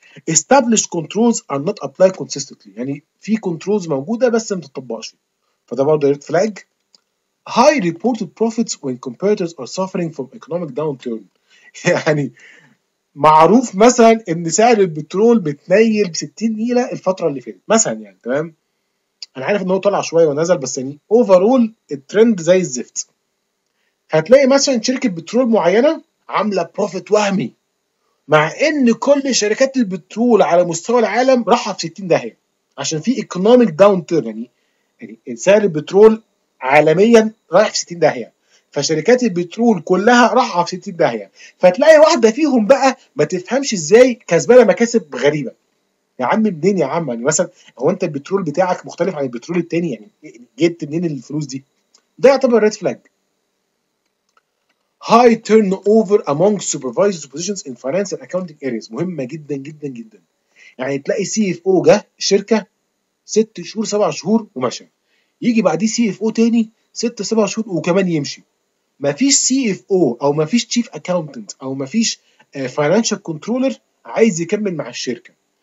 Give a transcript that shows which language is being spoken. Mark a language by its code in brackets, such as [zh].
[en] Established controls are not applied consistently. [ar] يعني في controls موجودة بس ما تطبقش. فده برضو red flag. [en] High reported profits when competitors are suffering from economic downturn. [ar] يعني معروف مثلا ان سعر البترول بتنيل بستين نيلة الفترة اللي فاتت مثلا يعني. تمام؟ انا عارف ان هو طلع شوية ونزل بس يعني overall الترند زي الزفت. هتلاقي مثلا شركة بترول معينة عاملة profit وهمي مع ان كل شركات البترول على مستوى العالم راحت في 60 داهيه عشان في ايكونوميك داون تيرن. يعني سعر البترول عالميا رايح في 60 داهيه فشركات البترول كلها راحت في 60 داهيه. فتلاقي واحده فيهم بقى ما تفهمش ازاي كسبانه مكاسب غريبه. يا عم منين يا عم؟ يعني مثلا هو انت البترول بتاعك مختلف عن البترول التاني؟ يعني جبت منين الفلوس دي؟ ده يعتبر ريد فلاج. [en] High turnover among supervisors positions in finance and accounting areas. [ar] مهمة جدا جدا جدا. يعني تلاقي CFO جاء شركة 6 شهور 7 شهور ومشى. يجي بعدي CFO تاني 6 7 شهور وكمان يمشي. مفيش CFO أو مفيش Chief Accountant أو مفيش Financial Controller عايز يكمل مع الشركة.